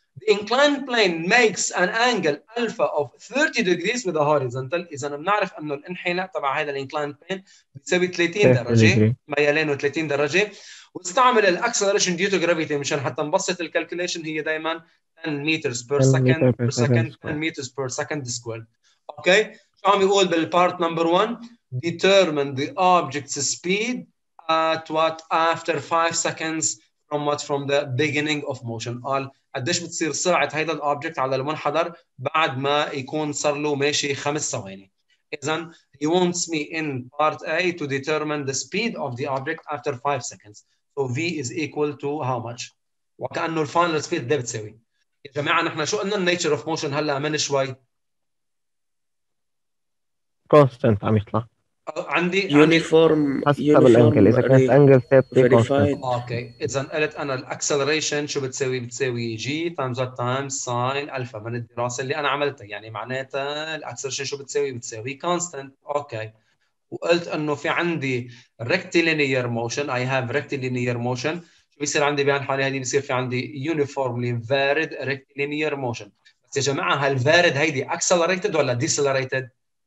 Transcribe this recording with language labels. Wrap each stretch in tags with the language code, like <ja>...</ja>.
<en>inclined plane makes an angle alpha of 30 degrees with horizontal</en> <ar>اذا بنعرف انه الانحناء تبع هذا الانكلاين بلين بتساوي 30 درجه ميلانه 30 درجه واستعمل الاكسلريشن ديو تو جرافيتي مشان حتى نبسط الكالكوليشن هي دائما</ar> <en>10 meters per second, per second 10 meters per second squared. Okay.</en> <ar>شو عم يقول بالpart number one?</ar> <en>Determine the object's speed at what after 5 seconds from what from the beginning of motion.</en> <ar>قال قديش بتصير سرعة هيدا الobject على المنحدر بعد ما يكون صار له ماشي 5 ثواني.</ar> <en>إذن he wants me in part A to determine the speed of the object after 5 seconds. So V is equal to how much?</en> <ar>وكأنه ال final speed ده بتساوي. يا جماعة نحن شو قلنا النيتشر اوف موشن هلا من شوي كونستنت عم يطلع عندي يونيفورم حسب الانجل اذا كانت انجل ثابت اوكي اذا قلت انا الاكسلريشن شو بتساوي جي تايمز تايمز ساين الفا من الدراسه اللي انا عملتها يعني معناتها الاكسلريشن شو بتساوي كونستنت اوكي وقلت انه في عندي ريكتيلينير موشن اي هاف ريكتيلينير موشن بيصير عندي بهالحالة هذه بيصير في عندي uniformly varied rectilinear motion بس يا جماعة هالvarid هيدي accelerated ولا decelerated</ar>